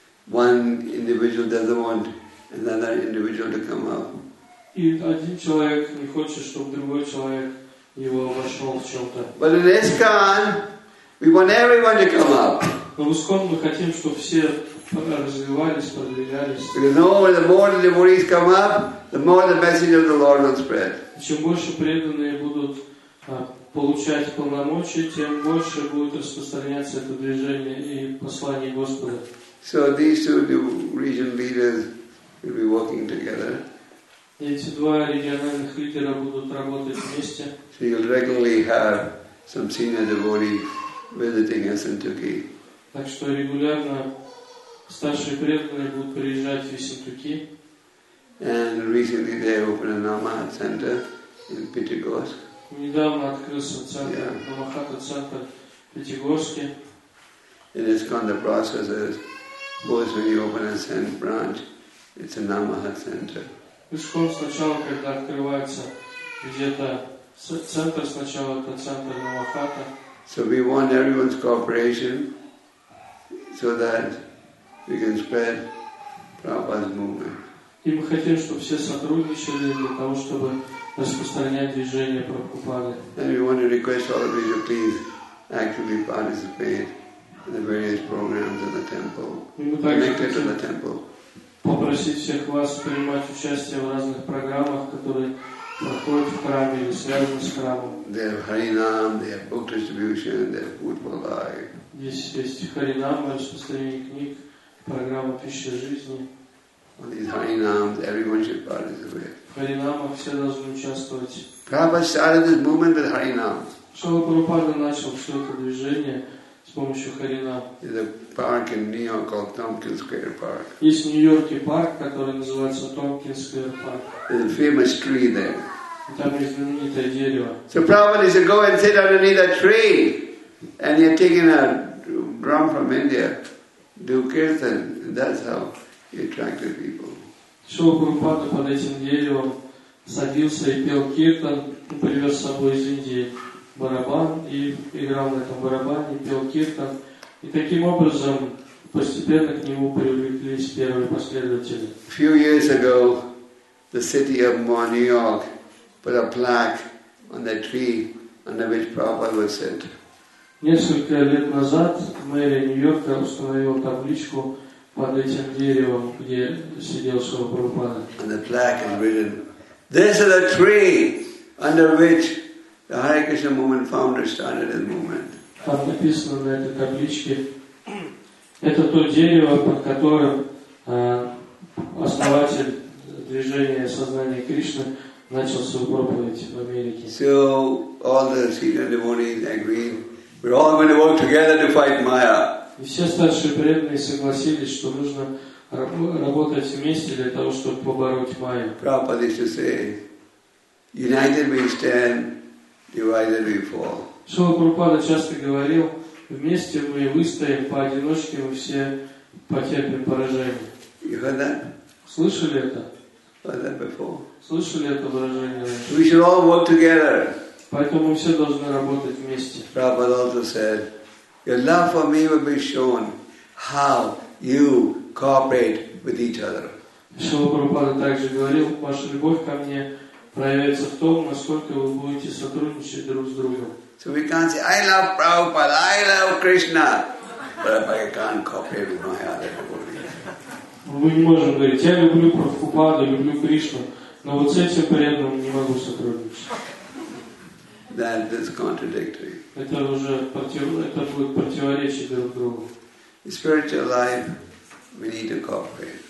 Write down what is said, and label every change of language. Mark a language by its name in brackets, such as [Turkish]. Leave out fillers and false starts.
[English] One individual doesn't want another individual to come up. [Russian] И один человек не хочет, чтобы другой человек его обошел в чем-то. [English] But in ISKCON, We want everyone to come up. [Russian] Мы хотим, чтобы все развивались, продвигались. [English] Because the more the devotees come up, the more the message of the Lord will spread. [Russian] Чем больше преданные будут получать полномочия, тем больше будет распространяться это движение и послание Господа. [English] So these two new region leaders will be working together. [Russian] Эти два региональных лидера будут работать вместе. [English] So you'll regularly have some senior devotees visiting us in Turkey. [Russian] Так что регулярно старшие преданные будут приезжать в Ессентуки. [English] And recently they opened a Namahat center in Pitigorsk. [Russian] Недавно открылся центр Намахата центр в Пятигорске. [English] It is kind of process as both when you open a center branch, it's a Namahat center. [Russian] Сначала, когда открывается где-то центр, сначала это центр Намахата. [English] So we want everyone's cooperation so that we can spread Prabhupada's movement. [Russian] И мы хотим, чтобы все сотрудничали для того, чтобы распространять движение Прабхупады. [English] And we want to request all of you to please actively participate in the various programs in the temple. Connected to the temple. [Russian] Попросить всех вас принимать участие в разных программах, которые проходят в храме или связаны с храмом. [English] They have Harinam, they have book distribution, they have food for life. [Russian] Здесь есть Харинам, распространение книг, программа «Пища жизни». [English] On these Harinams, everyone should participate. [Russian] Харинама все должны участвовать. [English] Prabhupada started this movement with Harinam. [Russian] Шрила Прабхупада начал все это движение с помощью Харинам. [English] There's a park in New York called Tompkins Square Park. [Russian] Есть в Нью-Йорке парк, который называется Tompkins Square Park. [English] There's a famous tree there. [Russian] Там есть знаменитое дерево. [English] So Prabhupada said, go and sit underneath that tree. And he had taken a drum from India, do kirtan. That's how he attracted people. [Russian] Шрила Прабхупада под этим деревом садился и пел киртан, привез с собой из Индии барабан и играл на этом барабане, пел киртан. И таким образом постепенно к нему привлеклись первые последователи. [English] A few years ago, the city of New York put a plaque on the tree under which Prabhupada was sit. [Russian] Несколько лет назад мэрия Нью-Йорка установила табличку под этим деревом, где сидел Шрила Прабхупада. [English] And the plaque is written, this is the tree under which the Hare Krishna movement founder started his movement. [Russian] Там написано на этой табличке, это то дерево, под которым основатель движения сознания Кришны начал свою проповедь в Америке. [English] So all the senior devotees agreed. We're all going to work together to fight Maya. [Russian] И все старшие преданные согласились, что нужно работать вместе для того, чтобы побороть Майю. [English] Prabhupada used to say, "United we stand, divided we fall." [Russian] Шрила Прабхупада часто говорил, вместе мы выстоим, поодиночке мы все потерпим поражение. [English] You heard that? [Russian] Слышали это? [English] Heard that before? [Russian] Слышали это выражение? [English] We should all work together. [Russian] Поэтому мы все должны работать вместе. [English] Prabhupada also said, your love for me will be shown how you cooperate with each other. [Russian] Шрила Прабхупада также говорил, ваша любовь ко мне проявится в том, насколько вы будете сотрудничать друг с другом. [English] So we can't say, I love Prabhupada, I love Krishna. But if I can't cooperate with my other devotees. [Russian] Мы не можем говорить, я люблю Прабхупаду, люблю Кришну, но вот с этим преданным не могу сотрудничать. [English] That is contradictory. [Russian] Это уже это будет противоречить друг другу. [English] In spiritual life, we need to cooperate.